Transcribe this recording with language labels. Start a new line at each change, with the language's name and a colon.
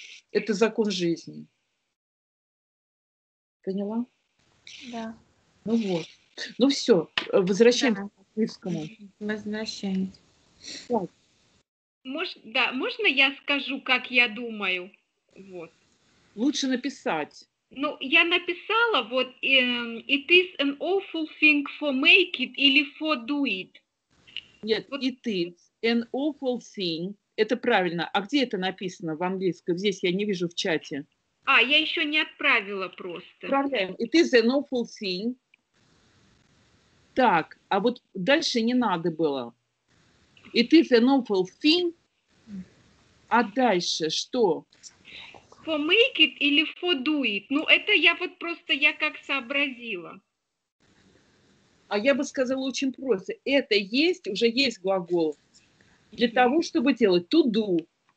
Russian: Это закон жизни. Поняла? Да. Ну вот. Ну все, возвращаемся к английскому. Возвращаемся. Да, можно я скажу, как я думаю? Вот. Лучше написать.
English: Ну, я написала, вот, it is an awful thing for make it или for do it. Нет, вот. It is an awful thing. Это правильно.
Russian: А где это написано в английском? Здесь я не вижу в чате. А, я еще не отправила просто.
English: Отправляем. It is an awful thing.
Russian: Так, а вот дальше не надо было.
English: It is an awful thing. А дальше что? For make it или for do it?
Russian: Ну, это я вот просто, я как сообразила. А я бы сказала очень просто. Это есть, уже есть глагол. Для того, чтобы делать to do.